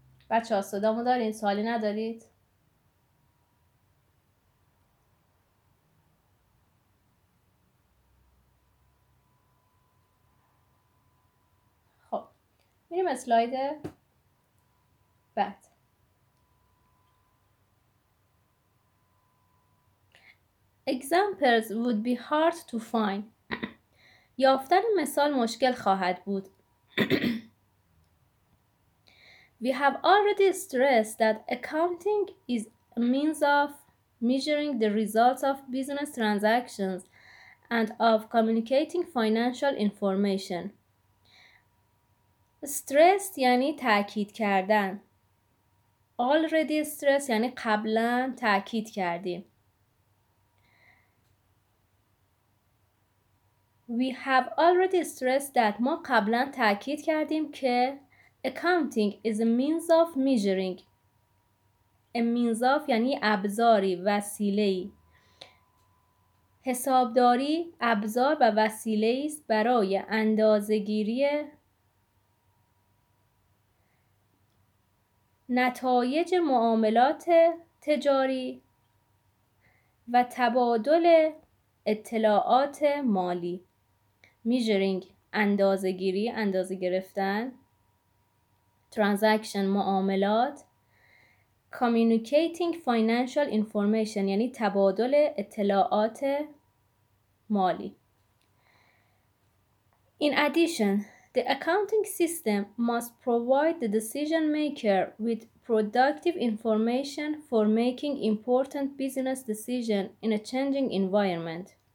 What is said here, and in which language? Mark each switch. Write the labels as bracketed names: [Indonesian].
[Persian] بچه ها صدامو دارین؟ سوالی ندارید؟ خب میریم اسلاید بعد. [English] Examples would be hard to find. [Persian] یافتن مثال مشکل خواهد بود. [English] We have already stressed that accounting is a means of measuring the results of business transactions and of communicating financial information. [Persian] استرس یعنی تاکید کردن. [English] Already stressed [Persian] یعنی قبلا تاکید کردیم. [English] We have already stressed that. [Persian] ما قبلا تاکید کردیم که [English] accounting is a means of measuring. A means of [Persian] یعنی ابزاری، وسیله‌ای. حسابداری ابزار و وسیله‌ای است برای اندازه‌گیری نتایج معاملات تجاری و تبادل اطلاعات مالی. میجرینگ اندازه‌گیری، اندازه گرفتن. ترانزکشن معاملات. [English] communicating financial information [Persian] یعنی تبادل اطلاعات مالی. [English] In addition, the accounting system must provide the decision maker with productive information for making important business decisions in a changing environment.